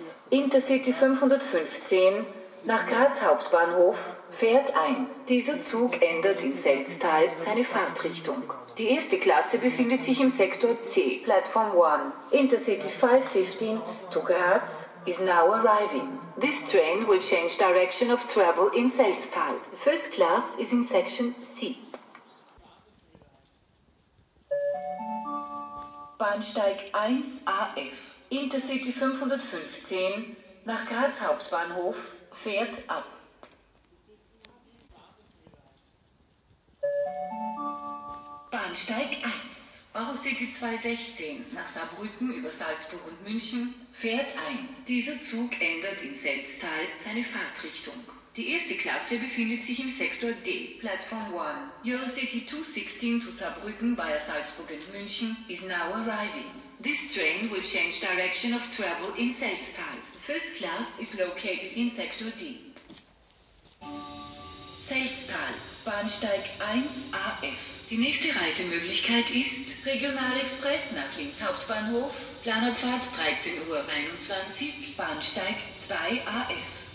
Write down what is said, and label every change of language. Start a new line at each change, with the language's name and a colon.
German: Intercity 515 nach Graz Hauptbahnhof fährt ein. Dieser Zug ändert in Selztal seine Fahrtrichtung. Die erste Klasse befindet sich im Sektor C, Platform 1.
English: Intercity 515 to Graz is now arriving. This train will change direction of travel in Selztal. First class is in Section C.
German: Bahnsteig 1 AF. Intercity 515 nach Graz Hauptbahnhof fährt ab. Bahnsteig 1. Eurocity 216 nach Saarbrücken über Salzburg und München fährt ein. Dieser Zug ändert in Selztal seine Fahrtrichtung. Die erste Klasse befindet sich im Sektor D, Platform 1.
English: Eurocity 216 zu Saarbrücken via Salzburg und München is now arriving. This train will change direction of travel in Selztal. First class is located in Sektor D.
German: Selztal, Bahnsteig 1 AF. Die nächste Reisemöglichkeit ist Regionalexpress nach Linz Hauptbahnhof, Planabfahrt 13.21 Uhr, Bahnsteig 2 AF.